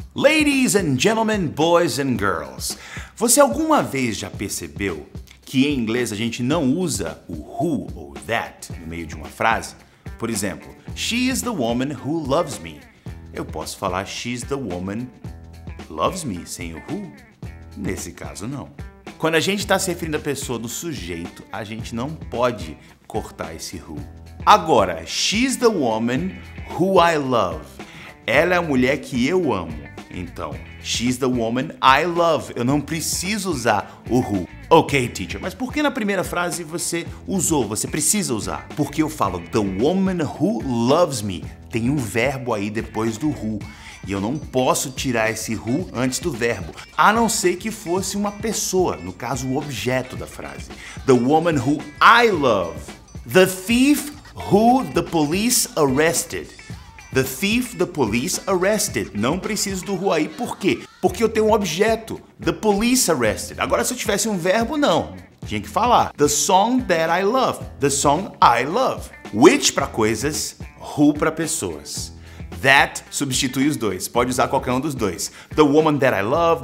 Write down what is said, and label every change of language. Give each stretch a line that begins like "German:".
English: Ladies and gentlemen, boys and girls,
Portuguese: você alguma vez já percebeu que em inglês a gente não usa o who ou that no meio de uma frase? Por exemplo,
English: she is the woman who loves me.
Portuguese: Eu posso falar
English: she's the woman loves me
Portuguese: sem o who? Nesse caso, não. Quando a gente está se referindo à pessoa do sujeito, a gente não pode cortar esse who. Agora,
English: she's the woman who I love.
Portuguese: Ela é a mulher que eu amo. Então,
English: she's the woman I love.
Portuguese: Eu não preciso usar o who. Ok, teacher, mas por que na primeira frase você usou, você precisa usar? Porque eu falo
English: the woman who loves me.
Portuguese: Tem um verbo aí depois do who. E eu não posso tirar esse who antes do verbo. A não ser que fosse uma pessoa, no caso o objeto da frase.
English: The woman who I love. The thief who the police arrested. The thief the police arrested.
Portuguese: Não preciso do who aí, por quê? Porque eu tenho um objeto.
English: The police arrested.
Portuguese: Agora se eu tivesse um verbo, não. Tinha que falar.
English: The song that I love. The song I love. Which
Portuguese: para coisas,
English: who
Portuguese: para pessoas. That substitui os dois. Pode usar qualquer um dos dois.
English: The woman that I love.